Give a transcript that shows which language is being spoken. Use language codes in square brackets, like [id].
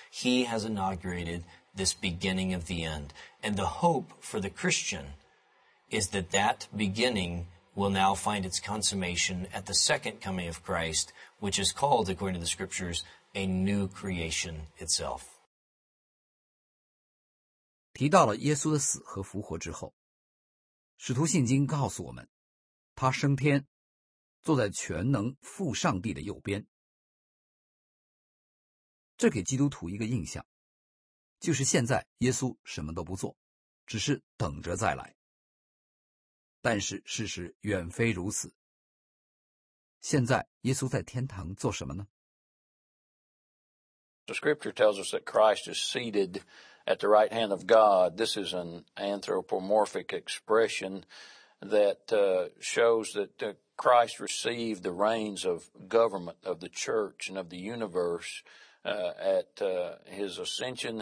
[en] He has inaugurated this beginning of the end. And the hope for the Christian is that that beginning will now find its consummation at the second coming of Christ, which is called, according to the scriptures, a new creation itself. [zh] 提到了耶稣的死和复活之后, 使徒信经告诉我们, 他升天, 坐在全能父上帝的右边。这给基督徒一个印象, 就是现在耶稣什么都不做, 只是等着再来。但是事实远非如此。现在耶稣在天堂做什么呢? [en] The scripture tells us that Christ is seated at the right hand of God. This is an anthropomorphic expression that shows that Christ received the reins of government of the church and of the universe at his ascension.